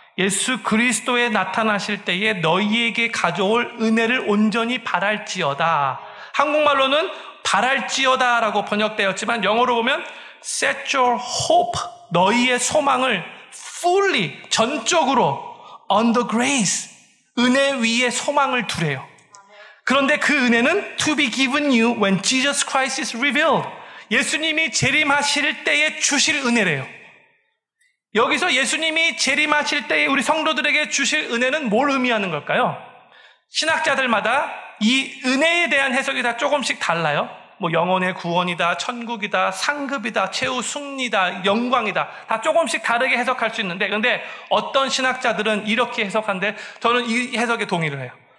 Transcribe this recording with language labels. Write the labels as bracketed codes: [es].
[ko] 예수 그리스도에 나타나실 때에 너희에게 가져올 은혜를 온전히 바랄지어다. 한국말로는 바랄지어다 라고 번역되었지만 영어로 보면 [en] set your hope, [ko] 너희의 소망을 [en] fully, [ko] 전적으로 [en] on the grace, [ko] 은혜 위에 소망을 두래요. 그런데 그 은혜는 [en] to be given you when Jesus Christ is revealed. [ko] 예수님이 재림하실 때에 주실 은혜래요. 여기서 예수님이 재림하실 때에 우리 성도들에게 주실 은혜는 뭘 의미하는 걸까요? 신학자들마다 이 은혜에 대한 해석이 다 조금씩 달라요. 뭐 영혼의 구원이다, 천국이다, 상급이다, 최후 승리다, 영광이다 다 조금씩 다르게 해석할 수 있는데 그런데 어떤 신학자들은 이렇게 해석하는데 저는 이 해석에 동의를 해요.